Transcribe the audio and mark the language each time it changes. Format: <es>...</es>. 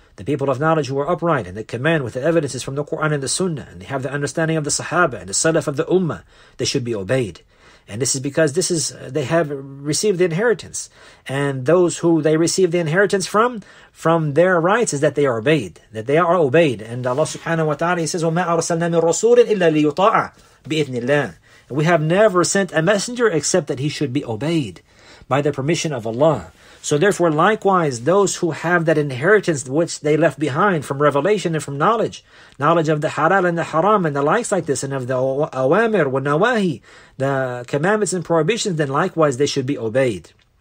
<en>The people of knowledge who are upright and they command with the evidences from the Quran and the Sunnah, and they have the understanding of the Sahaba and the Salaf of the Ummah, they should be obeyed. And this is because they have received the inheritance. And those who they receive the inheritance from their rights, is that they are obeyed. That they are obeyed.</en> <ar>And Allah subhanahu wa ta'ala,</ar> <en>he says,</en> <ar>وَمَا أَرْسَلْنَا مِنْ رَسُولٍ إِلَّا لِيُطَاعَ بِإِذْنِ اللَّهِ.</ar> <en>We have never sent a messenger except that he should be obeyed by the permission of Allah. So therefore, likewise, those who have that inheritance which they left behind from revelation and from knowledge of the halal and the haram and the likes like this, and of the awamir wa nawahi, the commandments and prohibitions, then likewise they should be obeyed.</en>